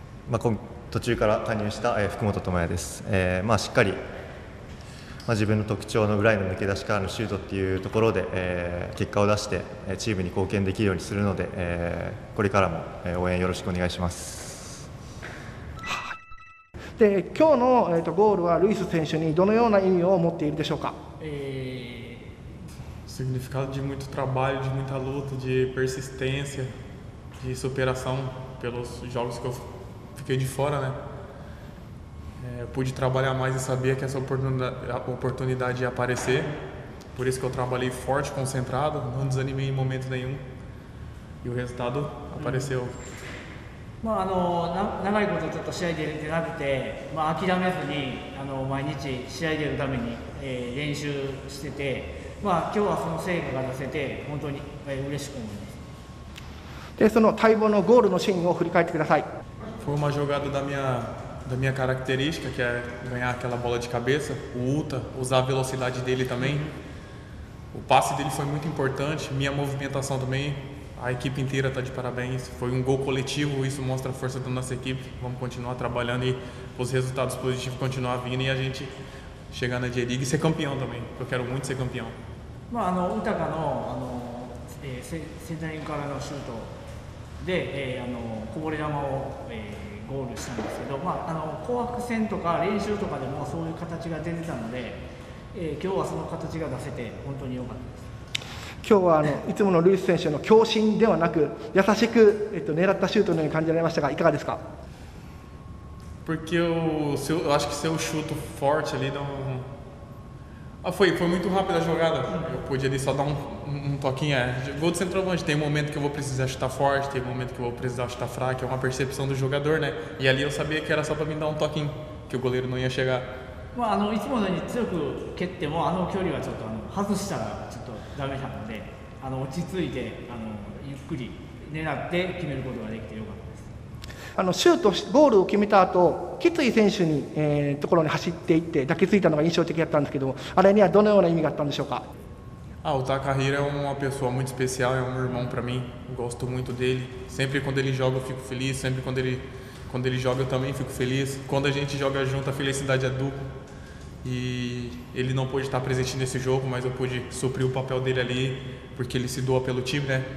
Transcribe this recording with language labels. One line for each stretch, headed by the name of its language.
Japanese: まあ、途中から加入した、福本智也です。まあ、しっかり、まあ、自分の特徴の裏への抜け出しからのシュートっていうところで、結果を出してチームに貢献できるようにするので、これからも応援よろしくお願いします。で、今日の、ゴールはルイス選手にどのような意味を持っているでしょうか。
Portuguese: Significado de muito trabalho, de muita luta, de persistência, de superação pelos jogos que eu fiquei de fora, né? Pude trabalhar mais e sabia que essa oportunidade ia aparecer. Por isso que eu trabalhei forte, concentrado, não desanimei em momento nenhum. E o resultado apareceu.
Japanese: まあ、長いことちょっと試合出れなくて、まあ、諦めずに毎日試合出るために、練習してて、まあ、今日はその成果が出せて本当に、嬉しく思います。で、その待望のゴールのシーンを振り返ってください。
Portuguese: Foi uma jogada da minha característica, que é ganhar aquela bola de cabeça, o Uta, usar a velocidade dele também. O passe dele foi muito importante, minha movimentação também. A equipe inteira está de parabéns. Foi gol coletivo, isso mostra a força da nossa equipe. Vamos continuar trabalhando e os resultados positivos continuar vindo e a gente chegar na J League e ser campeão também. Eu quero muito ser campeão.
Japanese: まあ、Uta がの、センターリングからのシュートで、こぼれ球を、ゴールしたんですけど、まあ、紅白戦とか練習とかでもそういう形が出てたので、今日はその形が出せて本当に良かったです。今日はいつものルイス選手の強振ではなく優しく、狙ったシュートのように感じられましたが、いかがですか。
Portuguese: Porque eu acho que seu chute forte ali deu um... Ah, foi muito rápida a jogada. Eu podia ali só dar um toquinho. Gol de centroavante. Tem momento que eu vou precisar chutar forte, tem momento que eu vou precisar chutar fraco. É uma percepção do jogador, né? E ali eu sabia que era só para me dar um toquinho, que o goleiro não ia chegar.
Japanese: まあ、いつものように強く蹴っても、距離はちょっと外したらちょっとダメなので、落ち着いて、ゆっくり狙って決めることができてよかったです。シュート、ゴールを決めた後、キツイ選手に、ところに走っていって抱きついたのが印象的だったんですけど、あれにはどのような意味があったんでしょうか。
Portuguese: Ah, o Takahiro é uma pessoa muito especial, é um irmão para mim, gosto muito dele. Sempre quando ele joga eu fico feliz, sempre quando ele... Quando ele joga, eu também fico feliz. Quando a gente joga junto, a felicidade é dupla. E ele não pôde estar presente nesse jogo, mas eu pude suprir o papel dele ali, porque ele se doa pelo time, né?